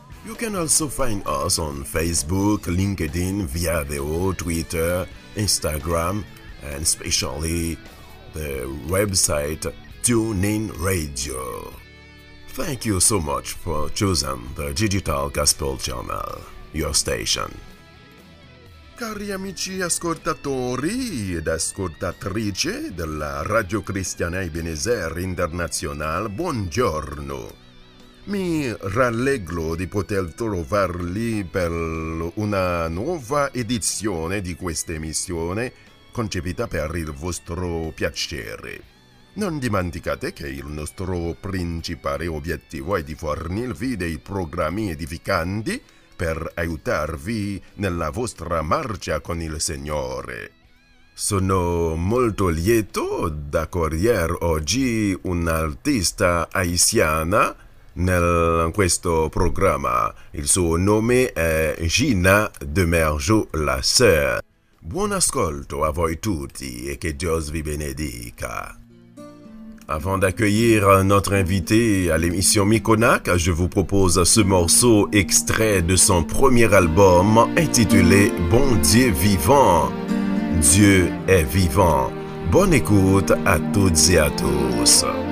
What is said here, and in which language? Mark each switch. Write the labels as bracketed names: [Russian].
[English] You can also find us on Facebook, LinkedIn, Viadeo, Twitter, Instagram, and especially the website TuneIn Radio. Thank you so much for choosing the Digital Gospel Channel, your station. [Italian] Cari amici ascoltatori ed ascoltatrici della Radio Cristiana Ebenezer Internazionale, buongiorno. Mi rallegro di poter trovarli per una nuova edizione di questa emissione concepita per il vostro piacere. Non dimenticate che il nostro principale obiettivo è di fornirvi dei programmi edificanti per aiutarvi nella vostra marcia con il Signore. Sono molto lieto d'accogliere oggi un'artista haitiana in questo programma. Il suo nome è Gina Demergeau La Sœur. Buon ascolto a voi tutti e che Dio vi benedica. [French] Avant d'accueillir notre invité à l'émission Mikonak, je vous propose ce morceau extrait de son premier album intitulé « Bon Dieu vivant ». Dieu est vivant. Bonne écoute à toutes et à tous.